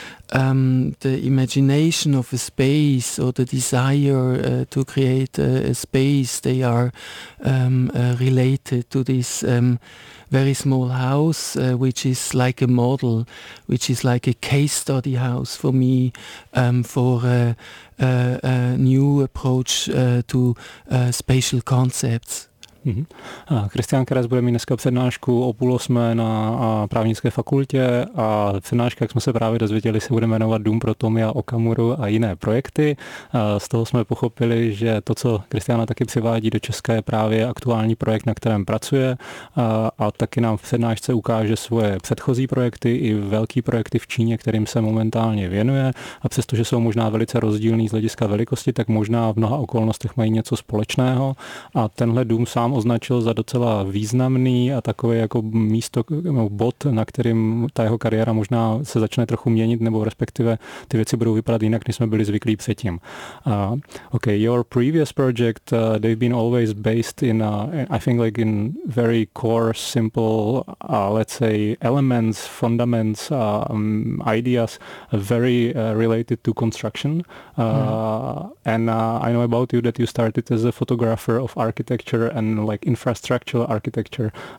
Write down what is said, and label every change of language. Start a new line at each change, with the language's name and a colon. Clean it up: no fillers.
English: the imagination of a space or the desire to create a space, they are related to this very small house, which is like a model, which is like a case study house for me, for a new approach to spatial concepts.
Czech: Christian Keres bude mít dneska přednášku o 7:30 na právnické fakultě a přednáška, jak jsme se právě dozvěděli, se bude jmenovat Dům pro Tomia Okamuru a jiné projekty. Z toho jsme pochopili, že to, co Christiana taky přivádí do Česka, je právě aktuální projekt, na kterém pracuje, a taky nám v přednášce ukáže svoje předchozí projekty i velký projekty v Číně, kterým se momentálně věnuje. A přestože jsou možná velice rozdílný z hlediska velikosti, tak možná v mnoha okolnostech mají něco společného. A tenhle dům sám označil za docela významný a takové jako místo, bod, na kterým ta jeho kariéra možná se začne trochu měnit, nebo respektive ty věci budou vypadat jinak, než jsme byli zvyklí předtím.
English: Okay, your previous project, they've been always based in, I think like in very core, simple, let's say elements, fundaments, ideas, very related to construction. And I know about you that you started as a photographer of architecture and like infrastructural architecture.